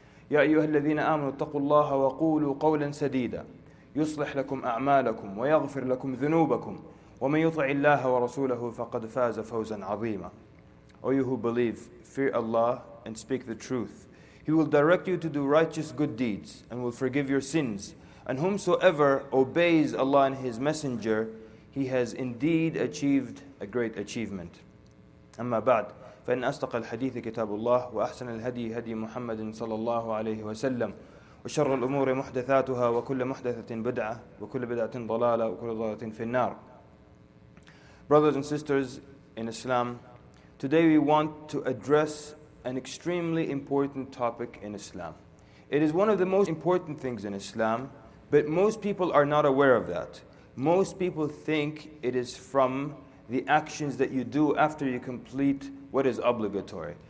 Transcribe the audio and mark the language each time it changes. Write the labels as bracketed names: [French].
[Arabic] يَا أَيُّهَا الَّذِينَ آمَنُوا اتَّقُوا اللَّهَ وَقُولُوا قَوْلًا سَدِيدًا يُصْلِحْ لَكُمْ أَعْمَالَكُمْ وَيَغْفِرْ لَكُمْ ذُنُوبَكُمْ وَمَنْ يُطِعِ اللَّهَ وَرَسُولَهُ فَقَدْ فَازَ فَوْزًا عَظِيمًا. [English] O you who believe, fear Allah and speak the truth. He will direct you to do righteous good deeds and will forgive your sins. And whomsoever obeys Allah and His Messenger, he has indeed achieved a great achievement. [Arabic] أما بعد فإن أصدق الحديث كتاب الله وأحسن الهدي هدي محمد صلى الله عليه وسلم وشر الأمور محدثاتها وكل محدثة بدعة وكل بدعة ضلالة وكل ضلالة في النار. [English] Brothers and sisters in Islam, today we want to address an extremely important topic in Islam. It is one of the most important things in Islam, but most people are not aware of that. Most people think it is from the actions that you do after you complete what is obligatory.